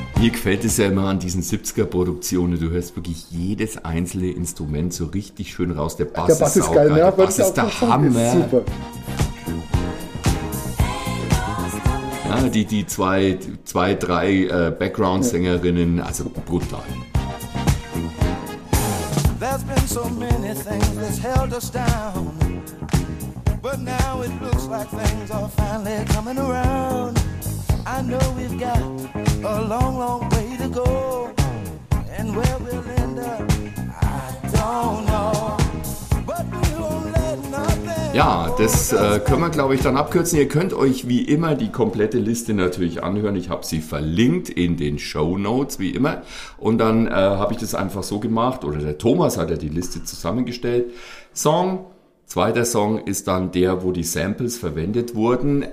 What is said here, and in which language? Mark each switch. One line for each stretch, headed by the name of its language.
German: gefällt es ja immer an diesen 70er-Produktionen. Du hörst wirklich jedes einzelne Instrument so richtig schön raus. Der Bass ist geil. Ne? Der Bass ist der Hammer. Ist super. Ja, die zwei, drei Background-Sängerinnen, also brutal.
English: There's been so many things that's held us down. But now it looks like things are finally coming around. I know we've got a long, long way to go. And where we'll end up, I don't know. But we won't let nothing.
German: Ja, das können wir, glaube ich, dann abkürzen. Ihr könnt euch wie immer die komplette Liste natürlich anhören. Ich habe sie verlinkt in den Shownotes, wie immer. Und dann habe ich das einfach so gemacht, oder der Thomas hat ja die Liste zusammengestellt. Song, zweiter Song ist dann der, wo die Samples verwendet wurden.